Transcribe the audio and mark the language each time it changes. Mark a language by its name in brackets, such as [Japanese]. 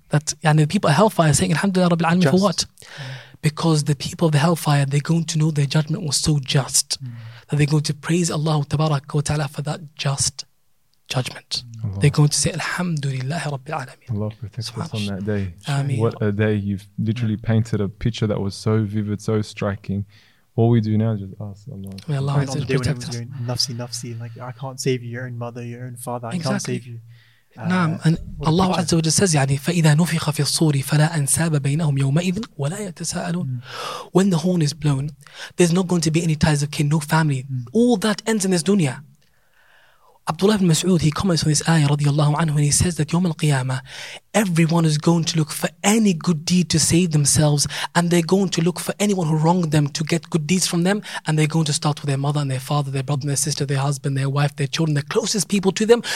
[English] That yani, the people of hellfire are saying Alhamdulillah Rabbil Alameen for what? Because the people of the hellfire, they're going to know their judgment was so just that they're going to praise Allah Tabarak wa Ta'ala for that just judgment. Allah. They're going to say Alhamdulillah Rabbil Alameen. Allah protects us on that day. Ameen. What a day. You've literally painted a picture that was so vivid, so striking. All we do now is just ask Allah. May Allah protect us. Nafsi, nafsi. Like, I can't save you, your own mother, your own father. I can't save you. And Allah Azza wa Jalla says, [Arabic] يعني, فَإِذَا نُفِخَ فِي الصُّورِ فَلَا أَنْسَابَ بَيْنَهُمْ يَوْمَئِذٍ وَلَا يَتَسَاءَلُونَ. [English] When the horn is blown, there's not going to be any ties of kin, no family. All that ends in this dunya. Abdullah ibn Mas'ud, he comments on this ayah radiallahu anhu, and he says that يوم القيامة, everyone is going to look for any good deed to save themselves, and they're going to look for anyone who wronged them to get good deeds from them, and they're going to start with their mother and their father, their brother and their sister, their husband, their wife, their children, the closest people to them.